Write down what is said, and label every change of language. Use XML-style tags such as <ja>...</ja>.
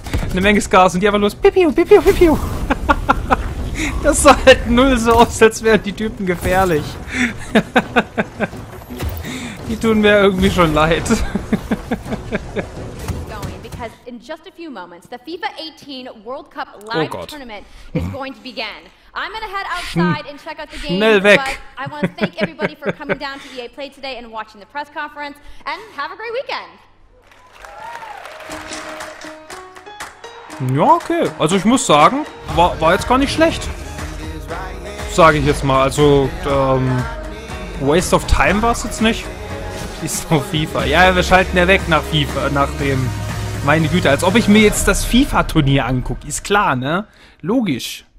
<de>Eine Menge Scars und die einfach los. Pipiu, pipiu, pipiu. Das sah halt null so aus, als wären die Typen gefährlich. Die tun mir irgendwie schon leid.</de> <en>In just a few moments, the FIFA 18 World Cup Live Tournament is going to begin. I'm going to head outside and check out the game.</en> <de>Schnell weg.</de> <en>But I want to thank everybody for coming down to EA Play today and watching the press conference. And have a great weekend.</en> <de>Ja, okay. Also ich muss sagen, war jetzt gar nicht schlecht. Sage ich jetzt mal. Also,</de> <en>Waste of Time</en> <de>war es jetzt nicht. Ist nur FIFA. Ja, wir schalten ja weg nach FIFA, nach dem... Meine Güte, als ob ich mir jetzt das FIFA-Turnier angucke. Ist klar, ne? Logisch.</de>